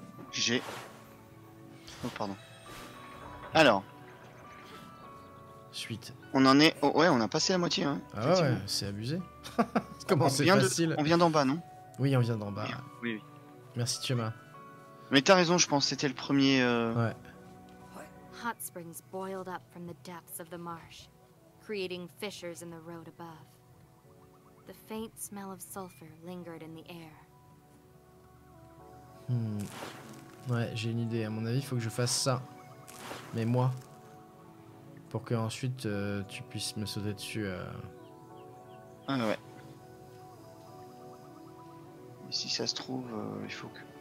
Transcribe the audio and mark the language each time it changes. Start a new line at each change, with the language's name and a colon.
French: J'ai... Oh, pardon. Alors. Suite. On en est... Oh, ouais, on a passé la moitié. Hein, ah ouais, c'est abusé. Comment on c'est vient facile. De... On vient d'en bas, non? Oui, on vient d'en bas. Oui, oui. Merci, Thomas. Mais t'as raison, je pense que c'était le premier... Ouais.
English: Hot springs boiled up from the depths of the marsh, creating fissures in the road above. The faint smell of sulfur lingered in the air. Hmm.
French: Ouais, j'ai une idée. À mon avis, il faut que je fasse ça. Mais moi. Pour que ensuite tu puisses me sauter dessus. Ah ouais. Et si ça se trouve, il faut que.